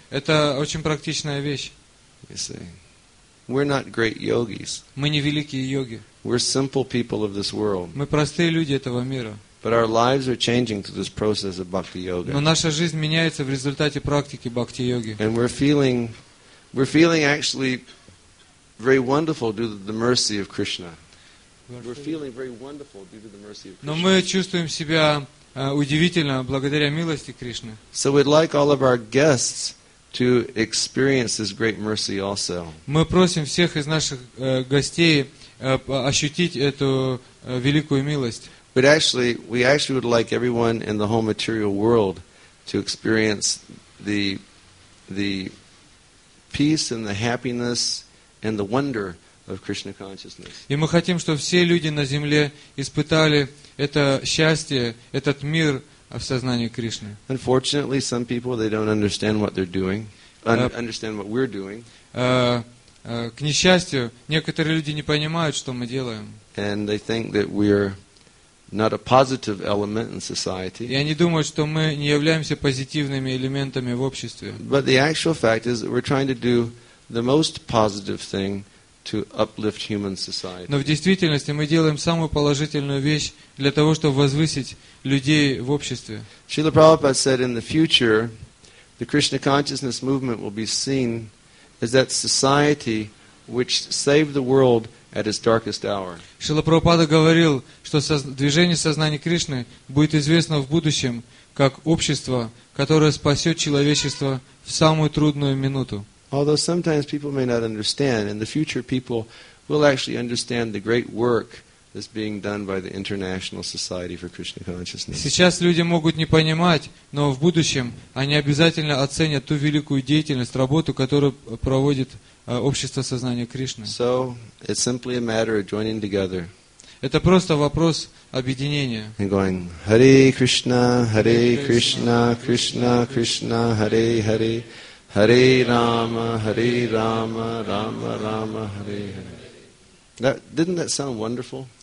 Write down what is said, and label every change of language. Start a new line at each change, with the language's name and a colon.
Russian: Это очень практичная вещь.
English: You see, we're not great yogis.
Russian: Мы не великие йоги.
English: We're simple people of this world.
Russian: Мы простые люди этого мира.
English: But our lives are changing through this process of bhakti yoga.
Russian: Но наша жизнь меняется в результате практики бхакти йоги.
English: And we're feeling actually very wonderful due to the mercy of Krishna. We're feeling very wonderful due to the mercy of Krishna.
Russian: Но мы чувствуем себя удивительно благодаря милости Кришны.
English: So we'd like all of our guests to experience this great mercy also.
Russian: Мы просим всех из наших гостей ощутить эту великую милость.
English: But actually, we actually would like everyone in the whole material world to experience the peace and the happiness and the wonder of Krishna consciousness.
Russian: И мы хотим, чтобы все люди на земле испытали это счастье, этот мир в сознании Кришны.
English: Unfortunately, some people they don't understand what they're doing. Understand what we're doing.
Russian: К несчастью, некоторые люди не понимают, что мы делаем.
English: And they think that we're not a positive element in society.
Russian: И они думают, что мы не являемся позитивными элементами в обществе.
English: But the actual fact is that we're trying to do the most positive thing to uplift human society.
Russian: Но в действительности мы делаем самую положительную вещь для того, чтобы возвысить людей в обществе.
English: Srila Prabhupada said in the future the Krishna consciousness movement will be seen as that society which saved the world at its darkest hour.
Russian: Шрила Прабхупада говорил, что движение сознания Кришны будет известно в будущем как общество, которое спасет человечество в самую трудную минуту.
English: Although sometimes people may not understand, in the future people will actually understand the great work that's being done by the International Society for Krishna Consciousness.
Russian: Сейчас люди могут не понимать, но в будущем они обязательно оценят ту великую деятельность, работу, которую проводит общество сознания Кришны.
English: So it's simply a matter of joining together.
Russian: Это просто вопрос объединения.
English: And going, Hare Krishna, Hare Krishna, Krishna Krishna, Hare Hare.
Sanskrit: Hare Rama, Rama Rama, Hare Hare.
English: Didn't that sound wonderful?